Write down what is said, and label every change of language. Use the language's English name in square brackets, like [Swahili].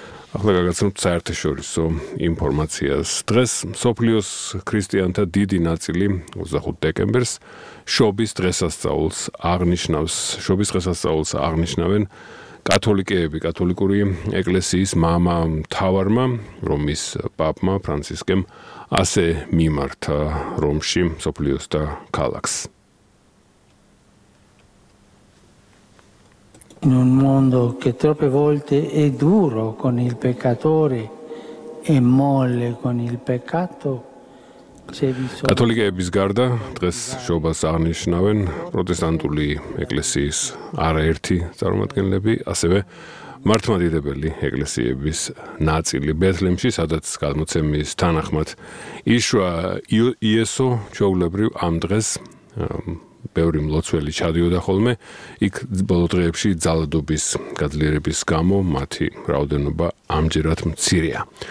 [Georgian] ახლა გაგაცნობთ საერთაშორისო ინფორმაციას. დღეს მსოფლიოს ქრისტიანთა დიდი ნაწილი 25 დეკემბერს შობის დღესასწაულს აღნიშნავს. შობის დღესასწაულს აღნიშნავენ კათოლიკეები, კათოლიკური ეკლესიის მამა მთავარმა, რომის პაპმა ფრანცისკემ ასე მიმართა რომში მსოფლიოს და ქალაქს. [Italian] In un mondo che troppe volte è duro con il peccatore e molle con il peccato. [Georgian] კათოლიკეების გარდა დღეს შობას აღნიშნავენ პროტესტანტული ეკლესიის არაერთი წარმომადგენლები, ასევე მართლმადიდებელი ეკლესიების ნაწილი. ბეთლემში, სადაც გადმოცემის თანახმად იშვა იესო, ჩვეულებრივ ამ დღეს ბევრი მლოცველი ჩადიოდა ხოლმე, იქ ბოლო დღეებში ძალადობის გაძლიერების გამო მათი რაოდენობა ამჯერად მცირეა.